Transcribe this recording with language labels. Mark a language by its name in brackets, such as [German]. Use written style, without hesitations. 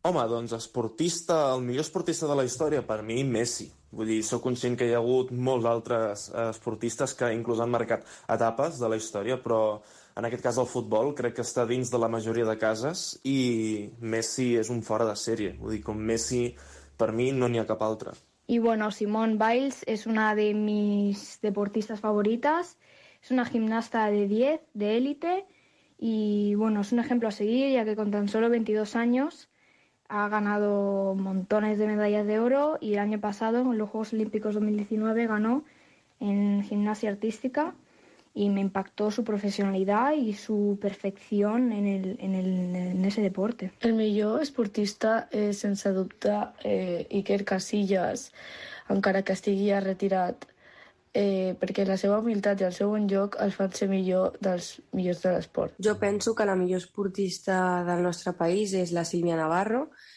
[Catalan] Home, doncs esportista, el millor esportista de la història, per mi, Messi. Vull dir, sóc conscient que hi ha hagut molts altres esportistes que inclús han marcat etapes de la història, però... En aquest cas, el futbol, crec que està dins de la majoria de cases i Messi és un fora de sèrie. Vull dir, com Messi, per mi, no n'hi ha cap altre. [Spanish] Y bueno, Simone Biles es una de mis deportistas favoritas. Es una gimnasta de 10, de élite. Y bueno, es un ejemplo a seguir, ya que con tan solo 22 años ha ganado montones de medallas de oro y el año pasado, en los Juegos Olímpicos 2019, ganó en gimnasia artística. Y me impactó su profesionalidad y su perfección en ese deporte. [Catalan] El millor esportista és, sense dubte, Iker Casillas, encara que estigui retirat, perquè la seva humilitat i el seu bon joc els fan ser millor dels millors de l'esport. Jo penso que la millor esportista del nostre país és la Silvia Navarro.